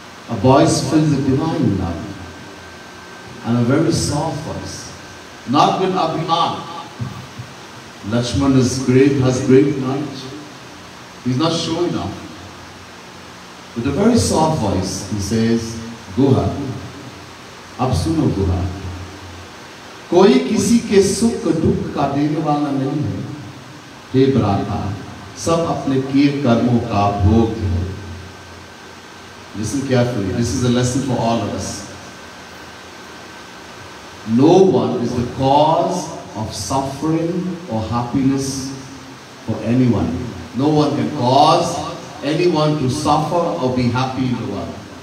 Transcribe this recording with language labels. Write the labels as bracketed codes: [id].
[en] A voice filled with divine love and a very soft voice, not with abhiman. Lakshman is great, has great knowledge. He's not showing off. With a very soft voice, he says, Guha, [hi] ab suno Guha. कोई किसी के सुख दुख का देने वाला नहीं है हे भ्राता सब अपने किए कर्मों का भोग है. [en] Listen carefully, this is a lesson for all of us. No one is the cause of suffering or happiness for anyone. No one can cause anyone to suffer or be happy in the world.